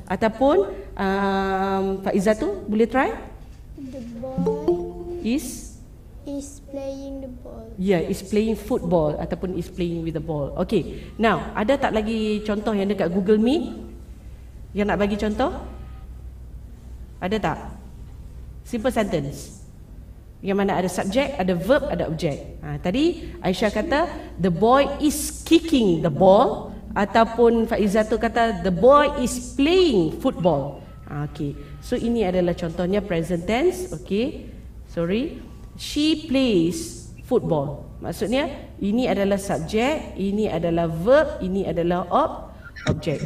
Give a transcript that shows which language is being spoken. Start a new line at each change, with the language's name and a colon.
Malay: Ataupun, Faizah tu boleh try?
English: The boy is playing the ball. Yeah, is playing football ataupun is playing with the ball.
Malay: Okay, now ada tak lagi contoh yang dekat Google Meet yang nak bagi contoh? Ada tak? Simple sentence. Yang mana ada subjek, ada verb, ada objek. Ha, tadi Aisyah kata
English: the boy is kicking the ball,
Malay: ataupun Faizatul kata
English: the boy is playing football. Ha, okay, so
Malay: ini adalah contohnya
English: present tense. Okay, sorry, she plays football.
Malay: Maksudnya ini adalah subjek, ini adalah verb, ini adalah objek.